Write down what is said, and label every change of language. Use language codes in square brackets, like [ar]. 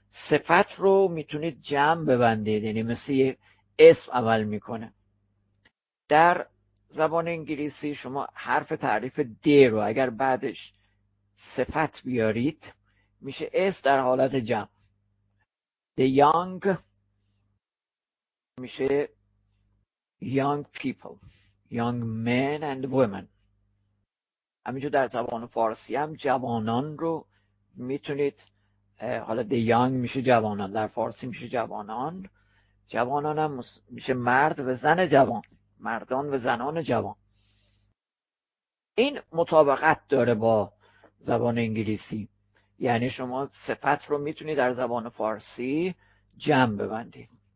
[fa] صفت رو میتونید جمع ببندید، یعنی مثل یه اسم عمل میکنه. در زبان انگلیسی شما حرف تعریف د رو اگر بعدش صفت بیارید میشه اس در حالت جمع. [en] The young [fa] میشه [en] young people، young men and women. [fa] همینجور در زبان فارسی هم جوانان رو میتونید، حالا the young میشه جوانان، در فارسی میشه جوانان، جوانان هم میشه مرد و زن جوان، مردان و زنان جوان. این مطابقت داره با زبان انگلیسی، یعنی شما صفت رو میتونی در زبان فارسی جمع ببندید.